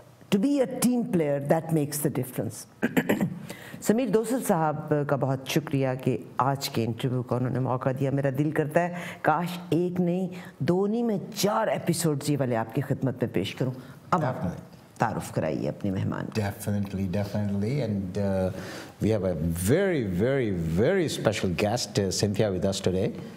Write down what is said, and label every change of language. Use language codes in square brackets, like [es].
[en] To be a team player, that makes the difference. [ur] Sameer دوسل صاحب کا بہت شکریہ کہ آج کے انٹرویو کا انہوں نے موقع دیا. میرا دل کرتا ہے کاش ایک نہیں دو نہیں میں چار ایپیسوڈز یہ والے آپ کی خدمت میں پیش کروں. اب آپ تعارف کرائیے اپنے مہمان. [en] Definitely, definitely. And we have a very, very, very special guest, Cynthia, with us today.